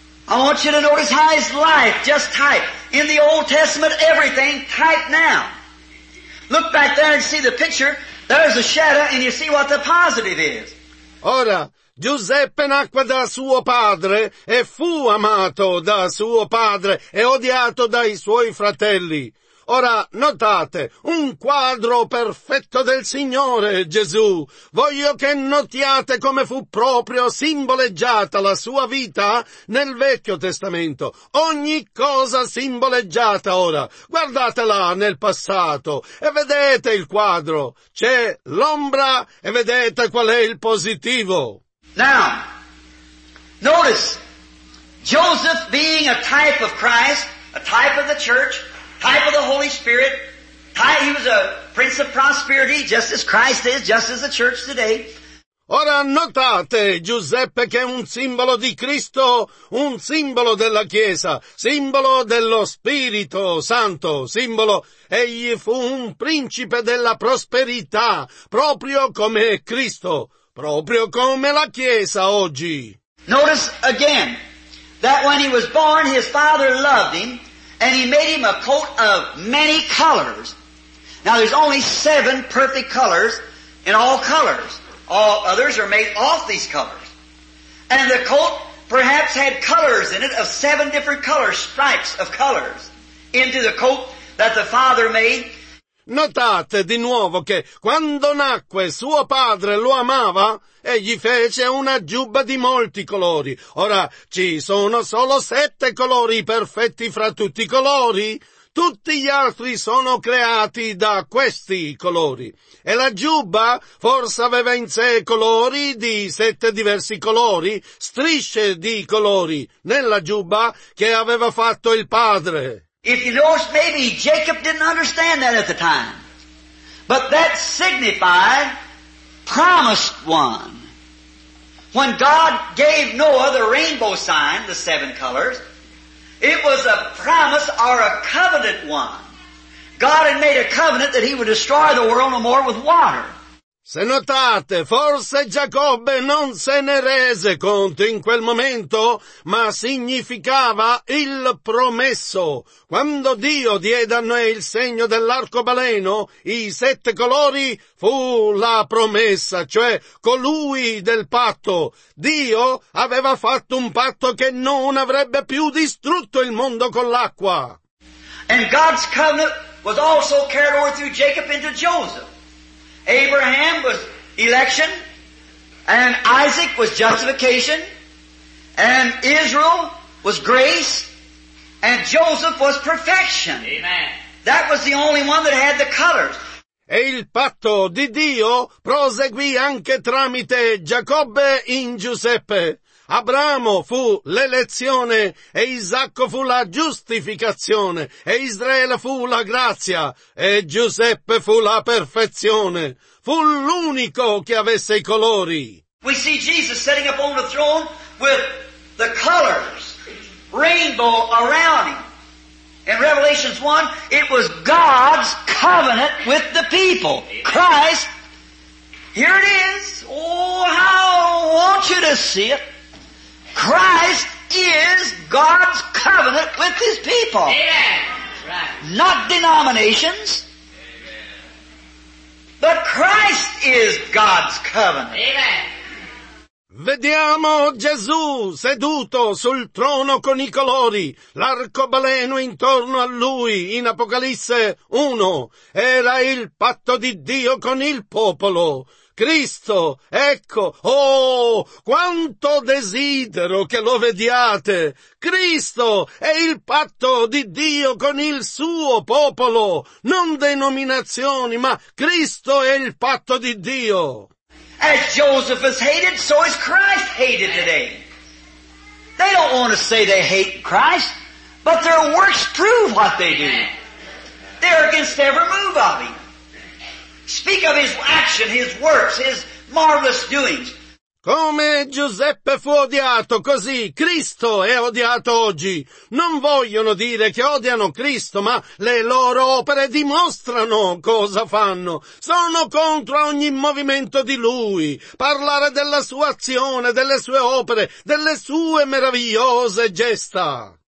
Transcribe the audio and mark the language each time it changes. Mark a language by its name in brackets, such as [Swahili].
[English] I want you to notice how his life, just type, in the Old Testament, everything, type now. look back there and see the picture. There's a shadow, and you see what the positive is. [Italian] Ora, Giuseppe nacque da suo padre e fu amato da suo padre e odiato dai suoi fratelli. Ora, notate, un quadro perfetto del Signore Gesù. Voglio che notiate come fu proprio simboleggiata la sua vita nel Vecchio Testamento. Ogni cosa simboleggiata ora. Guardatela nel passato e vedete il quadro. C'è l'ombra e vedete qual è il positivo. [English] Now, notice, Joseph being a type of Christ, a type of the church, type of the Holy Spirit, type, he was a prince of prosperity, just as Christ is, just as the church today. [Italian] Ora notate, Giuseppe, che è un simbolo di Cristo, un simbolo della Chiesa, simbolo dello Spirito Santo, simbolo, egli fu un principe della prosperità, proprio come Cristo. Proprio come la Chiesa oggi. [English] Notice again that when he was born, his father loved him and he made him a coat of many colors. Now there's only 7 perfect colors in all colors. All others are made off these colors. And the coat perhaps had colors in it of 7 different colors, stripes of colors, into the coat that the father made. [Italian] Notate di nuovo che quando nacque suo padre lo amava e gli fece una giubba di molti colori. Ora ci sono solo 7 colori perfetti fra tutti i colori. Tutti gli altri sono creati da questi colori. E la giubba forse aveva in sé colori di 7 diversi colori, strisce di colori nella giubba che aveva fatto il padre. [English] If you notice, maybe Jacob didn't understand that at the time. But that signified promised one. When God gave Noah the rainbow sign, the 7 colors, it was a promise or a covenant one. God had made a covenant that he would destroy the world no more with water. [Italian] Se notate, forse Giacobbe non se ne rese conto in quel momento, ma significava il promesso. Quando Dio diede a Noè il segno dell'arcobaleno, i 7 colori fu la promessa, cioè colui del patto. Dio aveva fatto un patto che non avrebbe più distrutto il mondo con l'acqua. [English] And God's covenant was also carried over through Jacob into Joseph. Abraham was election, and Isaac was justification, and Israel was grace, and Joseph was perfection. Amen. That was the only one that had the colors. [Italian] E il patto di Dio proseguì anche tramite Giacobbe in Giuseppe. Abramo fu l'elezione, e Isacco fu la giustificazione, e Israele fu la grazia, e Giuseppe fu la perfezione. Fu l'unico che avesse i colori. [English] We see Jesus sitting up on the throne with the colors, rainbow around him. In Revelations 1, it was God's covenant with the people. Christ, here it is. Oh, how I want you to see it. Christ is God's covenant with his people. Amen. Not denominations. But Christ is God's covenant. Amen. [Italian] Vediamo Gesù seduto sul trono con i colori, l'arcobaleno intorno a lui in Apocalisse 1. Era il patto di Dio con il popolo. Cristo, ecco, oh, quanto desidero che lo vediate! Cristo è il patto di Dio con il suo popolo, non denominazioni, ma Cristo è il patto di Dio. [English] As Joseph is hated, so is Christ hated today. They don't want to say they hate Christ, but their works prove what they do. They're against every move of him. Speak of his action, his works, his marvelous doings. [Italian] Come Giuseppe fu odiato, così Cristo è odiato oggi. Non vogliono dire che odiano Cristo, ma le loro opere dimostrano cosa fanno. Sono contro ogni movimento di lui. Parlare della sua azione, delle sue opere, delle sue meravigliose gesta.